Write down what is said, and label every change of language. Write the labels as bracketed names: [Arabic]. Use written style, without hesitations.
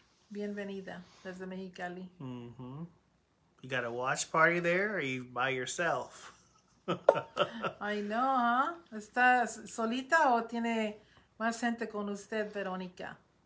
[Spanish] Bienvenida desde Mexicali. [English] Mm-hmm. You got a watch party there or are you by yourself? I know, huh? [Spanish] ¿Estás solita o tiene más gente con usted, Verónica?